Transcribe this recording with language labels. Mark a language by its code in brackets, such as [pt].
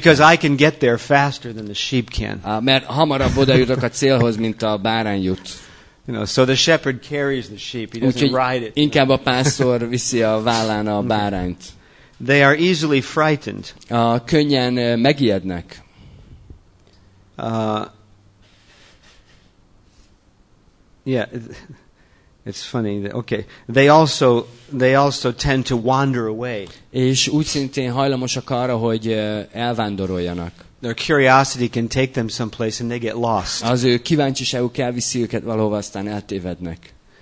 [en] Because I can get there faster than the sheep can. [hu] Mert hamarabb odajutok a célhoz, mint a bárány jut. [en] You know, so the shepherd carries the sheep. He doesn't ride it. [hu] Inkább a pásztor viszi a vállán a bárányt. [en] They are easily frightened. [hu] Könnyen megijednek. [en] It's funny. Okay. They also tend to wander away. [hu] És úgy szintén hajlamosak arra, hogy elvándoroljanak. [en] Their curiosity can take them someplace and they get lost. [hu] Az ő kíváncsiságuk elviszi őket valahova, aztán eltévednek.